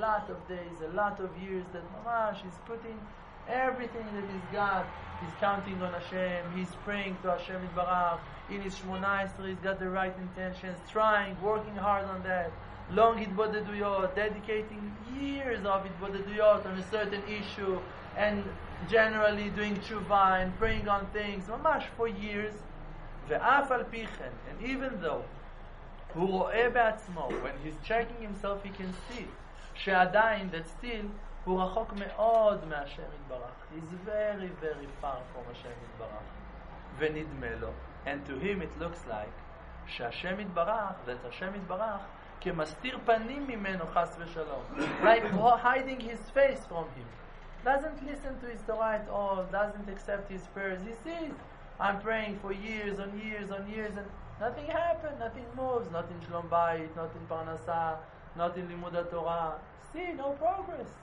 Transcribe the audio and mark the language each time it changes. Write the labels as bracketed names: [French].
[English] of days, a lot of years, that mamash is putting everything that he's got, he's counting on Hashem, he's praying to Hashem Yitzbarach, in his Shmona Esrei, he's got the right intentions, trying, working hard on that, long itbodeduyot, dedicating years of itbodeduyot on a certain issue, and generally doing tshuva and praying on things, mamash for years, [Hebrew] ve'af al pichen, [English] and even though, [Hebrew] hu ro'e be'atzmo, [English] when he's checking himself, he can see, [Hebrew] she'adayin, [English] that still, [Hebrew] הוא רחוק מאוד מהשם יתברך. [English] He's very, very far from השם יתברך. [Hebrew] ונדמה לו, [English] and to him it looks like, [Hebrew] שהשם יתברך, [English] that [Hebrew] השם יתברך, כמסתיר פנים ממנו חס ושלום. [English] Like hiding his face from him. Doesn't listen to his Torah at all, doesn't accept his prayers. He sees, I'm praying for years and years and years, and nothing happened, nothing moves, not in Shalom Bayit, not in Parnasa, not in Limud HaTorah. See, no progress.